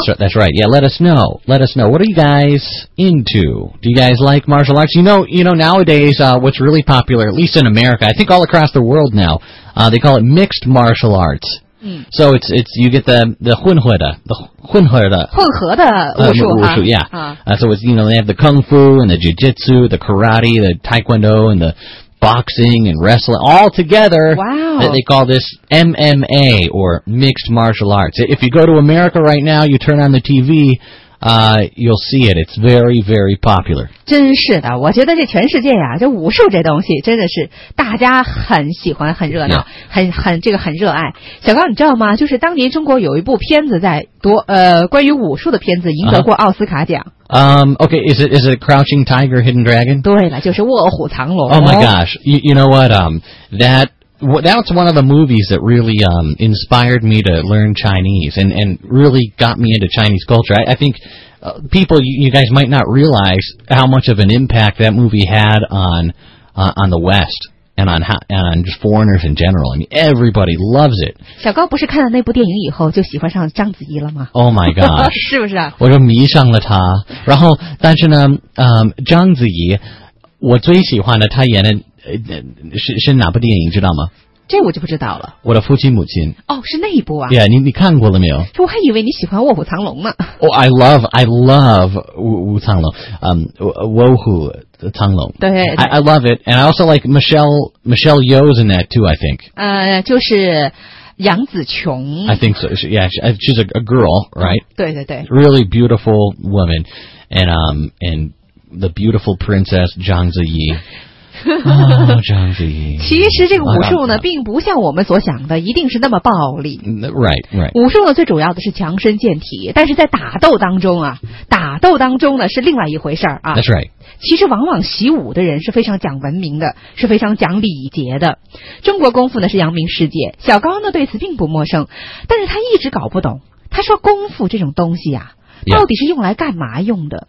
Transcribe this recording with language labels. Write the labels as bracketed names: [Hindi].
[English] that's right yeah let us know let us know what are you guys into do you guys like martial arts you know nowadays what's really popular at least in America I think all across the world now they call it mixed martial arts so it's you get the [Chinese] 混合的武术 [English] yeah so it's you know they have the kung fu and the jiu-jitsu the karate the taekwondo and the boxing and wrestling all together wow they call this MMA or mixed martial arts if you go to America right now you turn on the TV you'll see it it's very very popular [Chinese] 真是的我觉得这全世界呀、啊、这武术这东西真的是大家很喜欢很热闹、yeah. 很这个很热爱小高你知道吗就是当年中国有一部片子在夺关于武术的片子赢得过奥斯卡奖、uh-huh. [English] Okay, is it Crouching Tiger, Hidden Dragon? [Chinese] 对了就是卧虎藏龙。 [English] Oh my gosh, you know what, that's one of the movies that really, inspired me to learn Chinese and really got me into Chinese culture. I think people, you guys might not realize how much of an impact that movie had on the West. And on just foreigners in general. I mean, everybody loves it. [Chinese] 小高不是看了那部电影以后就喜欢上章子怡了吗 [English] ？Oh my gosh！ [Chinese] 是不是啊？我就迷上了她。然后，但是呢，章子怡，我最喜欢的她演的、是哪部电影？知道吗？这我就不知道了。我的父亲母亲。哦，是那一部啊？Yeah， 你看过了没有？我还以为你喜欢《卧虎藏龙》呢。 [English] Oh, I love 卧虎藏龙。卧虎。苍龙 [Chinese] 对 [English] I love it and I also like Michelle Yeoh's in that too I think [Chinese] 就是杨紫琼 [English] I think so yeah she's a girl right [Chinese] 对对对 [English] really beautiful woman and the beautiful princess Zhang Ziyi Zhang Ziyi [Chinese] 其实这个武术呢并不像我们所想的一定是那么暴力 [English] right [Chinese] 武术呢最主要的是强身健体但是在打斗当中呢是另外一回事儿啊 [English] that's right [Chinese] 其实往往习武的人是非常讲文明的是非常讲礼节的中国功夫呢是扬名世界小高呢对此并不陌生但是他一直搞不懂他说功夫这种东西啊到底是用来干嘛用的、